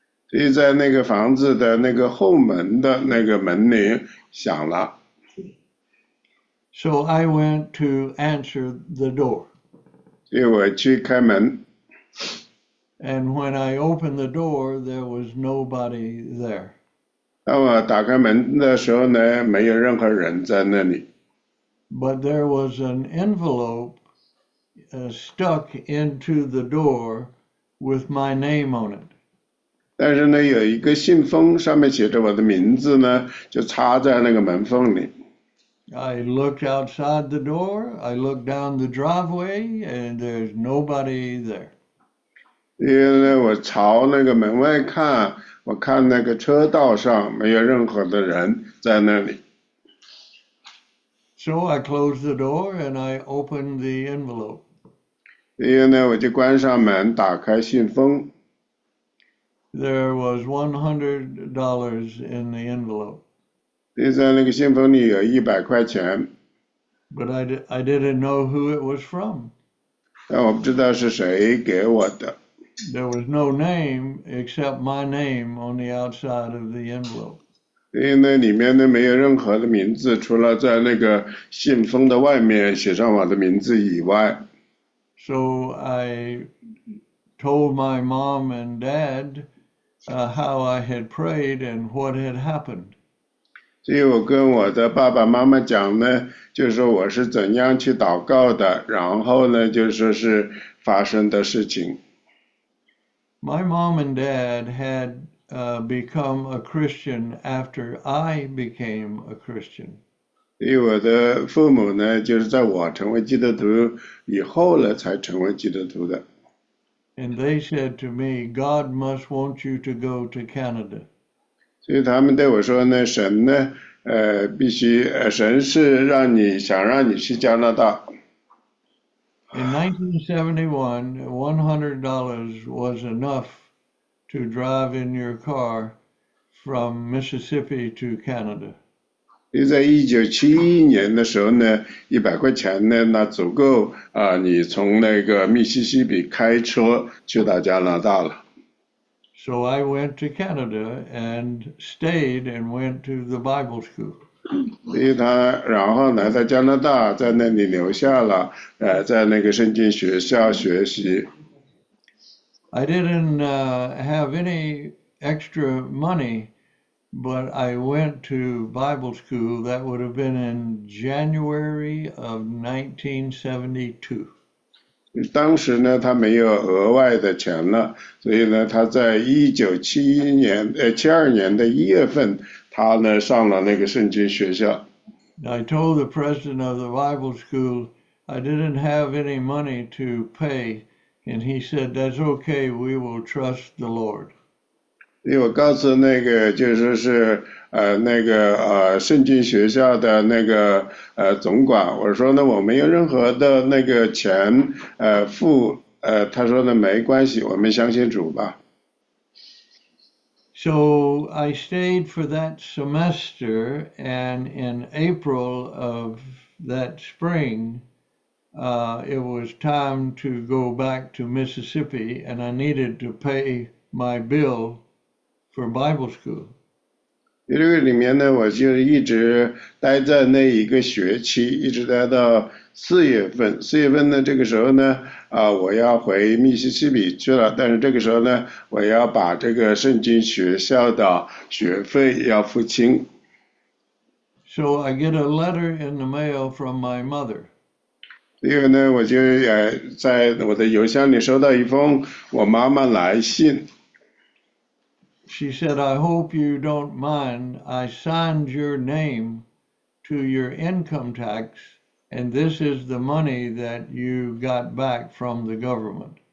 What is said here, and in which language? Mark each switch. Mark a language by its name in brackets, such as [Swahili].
[Chinese] 所以在那个房子的那个后门的那个门铃响了。 [English] So I went to answer the door. [Chinese] 所以我去开门。 [English] And when I opened the door, there was nobody there. [Chinese] 当我打开门的时候呢，没有任何人在那里。 [English] But there was an envelope stuck into the door with my name on it. [Chinese] 但是呢，有一个信封，上面写着我的名字呢，就插在那个门缝里。 [English] I looked outside the door, I looked down the driveway, and there's nobody there. [Chinese] 因为我朝那个门外看，我看那个车道上没有任何的人在那里。 [English] So I closed the door and I opened the envelope. [Chinese] 因为呢，我就关上门，打开信封。 [English] There was $100 in the envelope. [Chinese] 因为在那个信封里有100块钱， [English] But I didn't know who it was from. [Chinese] 但我不知道是谁给我的。 [English] There was no name except my name on the outside of the envelope. [Chinese] 因为那里面呢没有任何的名字，除了在那个信封的外面写上我的名字以外。 [English] So I told my mom and dad how I had prayed and what had happened. [Chinese] 所以我跟我的爸爸妈妈讲呢，就是说我是怎样去祷告的，然后呢，就说是发生的事情。 [English] My mom and dad had become a Christian after I became a Christian. [Chinese] 因为我的父母呢，就是在我成为基督徒以后呢，才成为基督徒的。 [English] And they said to me, God must want you to go to Canada. [Chinese] 所以他们对我说呢，神呢，必须，神是让你想让你去加拿大。 [English] In 1971, $100 was enough to drive in your car from Mississippi to Canada. [Chinese] 因为在1971年的时候呢，100块钱呢，那足够你从那个密西西比开车去到加拿大了。 [English] So I went to Canada and stayed and went to the Bible school. [Chinese] 所以他然后来到加拿大，在那里留下了，在那个圣经学校学习。 [English] I didn't have any extra money, but I went to Bible school. That would have been in January of 1972. [Chinese] 当时呢，他没有额外的钱了，所以呢，他在1971年，72年的1月份，他呢上了那个圣经学校。 [English] I told the president of the Bible school I didn't have any money to pay, and he said, That's okay, we will trust the Lord. [Chinese] 因为我告诉那个就是那个圣经学校的那个总管，我说呢我没有任何的那个钱付，他说呢没关系，我们相信主吧。 [English] So I stayed for that semester, and in April of that spring, it was time to go back to Mississippi, and I needed to pay my bill for Bible school. [Chinese] 这个里面呢，我就一直待在那一个学期，一直待到4月份。 4月份呢，这个时候呢，我要回密西西比去了。但是这个时候呢，我要把这个圣经学校的学费要付清。 [English] So I get a letter in the mail from my mother. [Chinese] 另外呢，我就在我的邮箱里收到一封我妈妈来信。 [English] She said, "I hope you don't mind. I signed your name to your income tax, and this is the money that you got back from the government."